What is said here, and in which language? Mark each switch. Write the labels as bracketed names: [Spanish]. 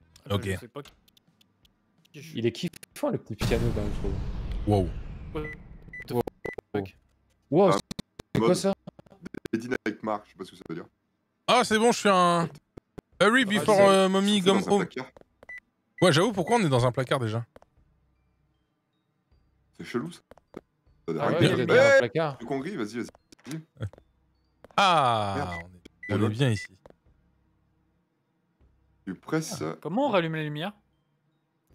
[French] Ok. Il est kiffant le petit piano quand même, je trouve. Wow. Wow, c'est quoi ça? Lady Night March, je sais pas ce que ça veut dire. Ah, c'est bon, je suis un. [English] Hurry before mommy come home. [French] Ouais, j'avoue, pourquoi on est dans un placard déjà? C'est chelou ça. Ça ah, ouais, il est dans un placard. Du congri, vas-y, vas-y. Ah, on est bien ici. Tu presses. Comment on rallume les lumières ?